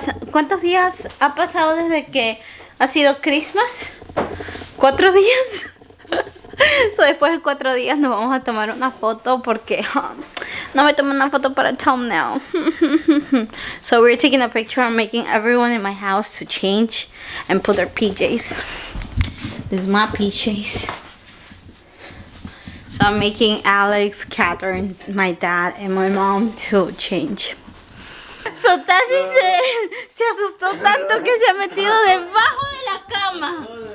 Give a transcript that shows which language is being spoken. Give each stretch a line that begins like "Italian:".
Spanish: ¿Cuántos días ha pasado desde que ha sido Christmas? ¿Cuatro días? So después de cuatro días nos vamos a tomar una foto porque no me tomé una foto para thumbnail.
English: So we're taking a picture and making everyone in my house to change and put their PJs. This is my PJs. So I'm making Alex, Catherine, my dad, and my mom to change.
Spanish: So Tassi se asustó tanto que se ha metido debajo de la cama.